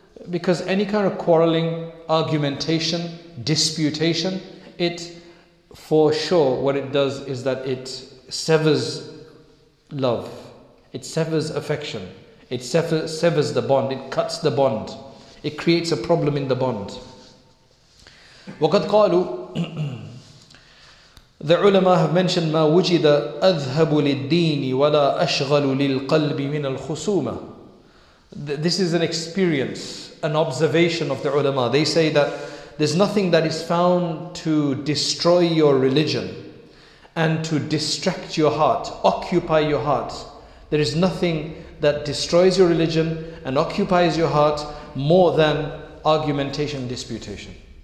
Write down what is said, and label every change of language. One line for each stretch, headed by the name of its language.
English: Because any kind of quarreling, argumentation, disputation, it for sure, what it does is that it severs love. It severs affection. It severs the bond. It cuts the bond. It creates a problem in the bond.
Arabic: وَقَدْ قَالُوا
English: The ulama have mentioned,
Arabic: مَا وُجِدَ أَذْهَبُ لِلدِّينِ وَلَا أَشْغَلُ لِلْقَلْبِ مِنَ الْخُصُومَةِ.
English: This is an experience, an observation of the ulama. They say that there's nothing that is found to destroy your religion and to distract your heart, occupy your heart. There is nothing that destroys your religion and occupies your heart more than argumentation, disputation.